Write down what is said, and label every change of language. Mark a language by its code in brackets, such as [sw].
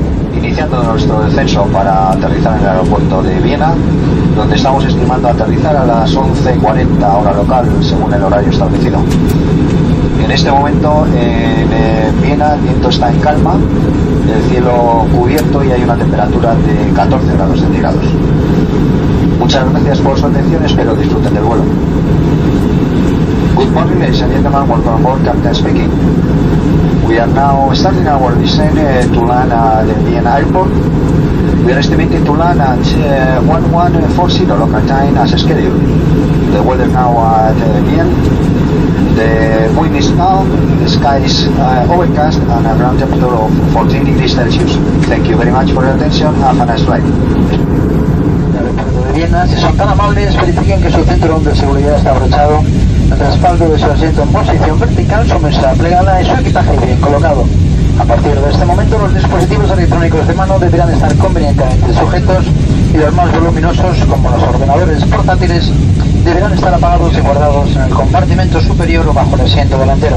[es] planeando nuestro descenso para aterrizar en el aeropuerto de Viena, donde estamos estimando aterrizar a las 11:40 hora local, según el horario establecido. En este momento en Viena el viento está en calma, el cielo cubierto y hay una temperatura de 14 grados centígrados. Muchas gracias por su atención, espero disfruten del vuelo. [en] Good morning, ladies and gentlemen, welcome aboard, Captain speaking. We are now starting our descent to land at the Vienna Airport. We are estimating to land at 1140 local time as scheduled. The weather now at Vienna. The wind is calm, the sky is overcast and a ground temperature of 14 degrees Celsius. Thank you very much for your attention, have a nice flight. [es] Si son tan amables, verifiquen que su cinturón de seguridad está abrochado, el respaldo de su asiento en posición vertical, su mesa plegada y su equipaje bien colocado. A partir de este momento, los dispositivos electrónicos de mano deberán estar convenientemente sujetos y los más voluminosos, como los ordenadores portátiles, deberán estar apagados y guardados en el compartimento superior o bajo el asiento delantero.